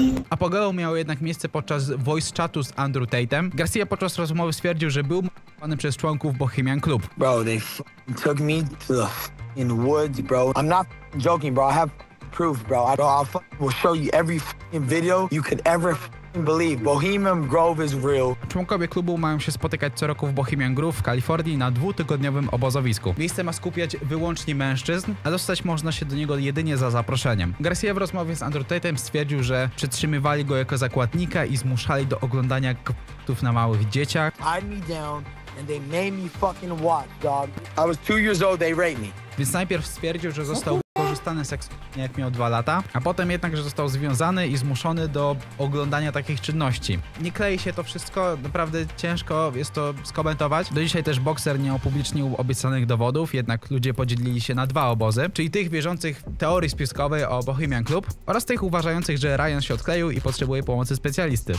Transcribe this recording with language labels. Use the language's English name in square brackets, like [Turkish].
[Polish] Apogeo miał jednak miejsce podczas voice chatu z Andrew Tate'em. Garcia podczas rozmowy stwierdził, że był m***ny przez członków Bohemian Club. [English] Bro, they f***ing took me to the f***ing woods, bro. I'm not f***ing joking, bro. I have proof, bro. I'll f***ing show you every f***ing video you could ever f***ing believe. Bohemian Grove is real. [Polish] Członkowie klubu mają się spotykać co roku w Bohemian Grove w Kalifornii na dwutygodniowym obozowisku. Miejsce ma skupiać wyłącznie mężczyzn, a dostać można się do niego jedynie za zaproszeniem. Garcia w rozmowie z Andrew Tate'em stwierdził, że przytrzymywali go jako zakładnika i zmuszali do oglądania k***ów na małych dzieciach. [English] Tied me down. And they made me fucking watch, dog. I was 2 years old, they raped me. [Polish] Więc najpierw stwierdził, że został wykorzystany seksualnie, jak miał 2 lata, a potem jednak, że został związany i zmuszony do oglądania takich czynności. Nie klei się to wszystko, naprawdę ciężko jest to skomentować. Do dzisiaj też bokser nie opublicznił obiecanych dowodów, jednak ludzie podzielili się na 2 obozy, czyli tych wierzących w teorii spiskowej o Bohemian Club oraz tych uważających, że Ryan się odkleił i potrzebuje pomocy specjalisty.